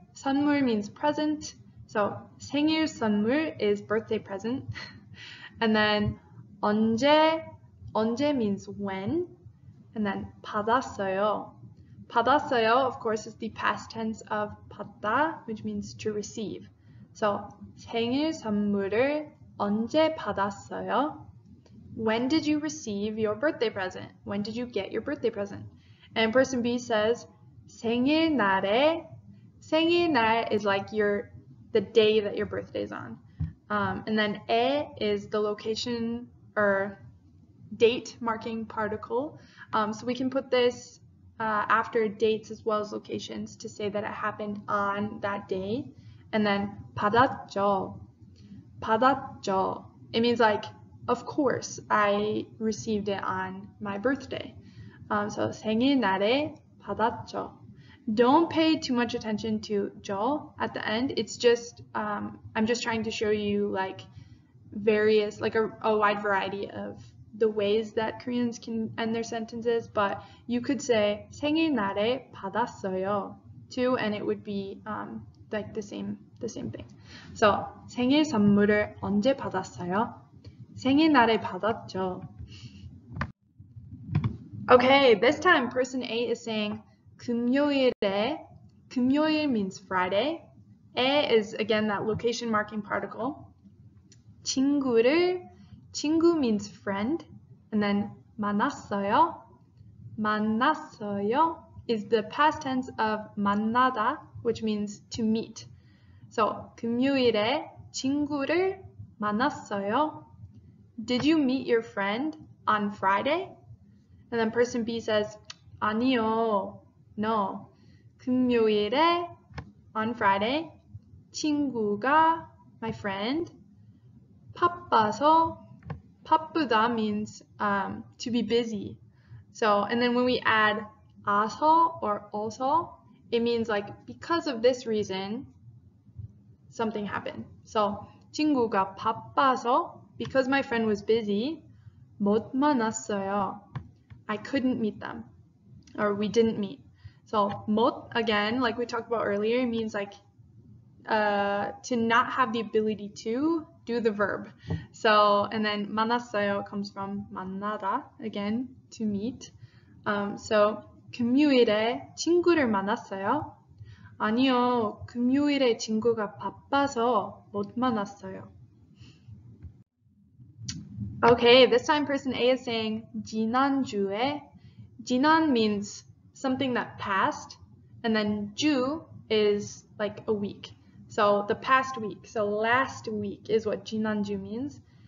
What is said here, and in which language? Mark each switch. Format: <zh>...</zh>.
<en>선물 means present. So</en> <ko>생일 선물</ko> <en>is birthday present. And then 언제. 언제 means when. And then 받았어요. 받았어요, of course, is the past tense of 받다, which means to receive.</en> <ko>So 생일 선물을 언제 받았어요?</ko> <en>When did you receive your birthday present? When did you get your birthday present? And person B says 생일날에. 생일날 is like your the day that your birthday is on. And then 에 is the location or date marking particle. So we can put this after dates as well as locations to say that it happened on that day. And then 받았죠. 받았죠. It means like, of course, I received it on my birthday.</en> <ko>So 생일날에 받았죠.</ko> <en>Don't pay too much attention to 저 at the end. It's just, I'm just trying to show you like various, like a wide variety of the ways that Koreans can end their sentences. But you could say</en> <ko>생일날에 받았어요</ko> <en>too, and it would be like the same thing.</en> <ko>So 생일 선물을 언제 받았어요? 생일날에 받았죠.</ko> <en>Okay, this time person A is saying 금요일에. 금요일 means Friday. 에 is again that location marking particle. 친구를. 친구 means friend. And then 만났어요. 만났어요 is the past tense of 만나다, which means to meet.</en> <ko>So 금요일에 친구를 만났어요.</ko> <en>Did you meet your friend on Friday? And then person B says 아니요. No, 금요일에, on Friday, 친구가, my friend, 바빠서, 바쁘다 means to be busy. So, and then when we add 아서 or 어서, it means like because of this reason, something happened. So,</en> <ko>친구가 바빠서,</ko> <en>because my friend was busy,</en> <ko>못 만났어요.</ko> <en>I couldn't meet them, or we didn't meet. So, 못, again, like we talked about earlier, means like to not have the ability to do the verb. So, and then 만났어요 comes from 만나다, again, to meet.</en> <ko>So, 금요일에 친구를 만났어요? 아니요, 금요일에 친구가 바빠서 못 만났어요.</ko> <en>Okay, this time person A is saying 지난주에. 지난 means something that passed, and then 주 is like a week. So the past week, so last week is what 지난주 means.</en>